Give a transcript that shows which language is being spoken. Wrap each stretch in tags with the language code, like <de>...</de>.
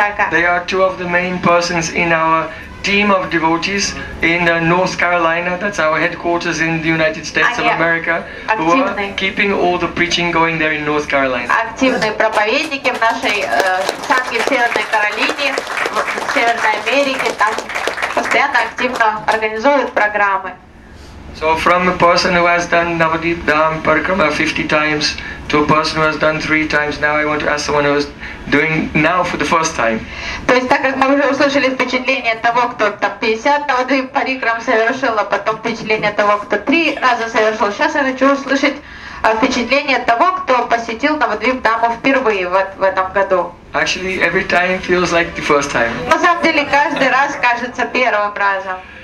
<en>They are two of the main persons in our team of devotees in North Carolina, that's our headquarters in the United States of America, who are keeping all the preaching going there in North Carolina.</en> <ru>Активные проповедники в нашей Санге в Северной Каролине, в Северной Америке, там постоянно активно организуют программы.</ru> <en>So from a person who has done Navadvip Dham Parikrama 50 times to a person who has done 3 times, now I want to ask someone who is doing now for the first time.</en> <ru>То есть так как мы уже услышали впечатление того, кто там 50 Navadvip Parikrama совершил, а потом впечатление того, кто 3 раза совершил. Сейчас я хочу услышать впечатление того, кто посетил Navadvip Dham впервые в этом году.</ru> <en>Actually, every time feels like the first time.</en> <ru>На самом деле каждый раз кажется первым разом.</ru>